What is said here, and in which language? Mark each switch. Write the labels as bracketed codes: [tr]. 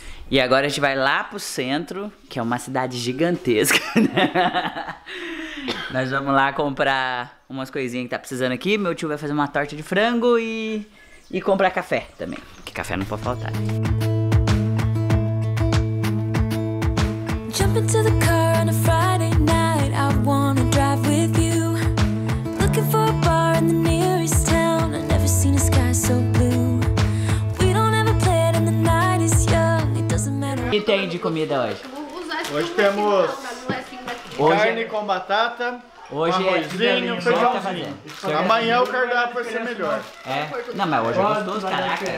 [pt] E agora a gente vai lá pro centro, que é uma cidade gigantesca, né? Nós vamos lá comprar umas coisinhas que tá precisando aqui. Meu tio vai fazer uma torta de frango e comprar café também. Porque café não pode faltar. [en] Jump into the car on a Friday night. I wanna drive with you. Looking for a bar in the nearest town. I've never seen a sky so blue. We don't ever play it and the night is young. It doesn't matter. [pt] O que tem de comida hoje? Hoje temos carne com batata. Hoje arrozinho, é feijãozinho. Tá. Amanhã o cardápio vai ser melhor. É? Não, mas hoje é gostoso, caraca.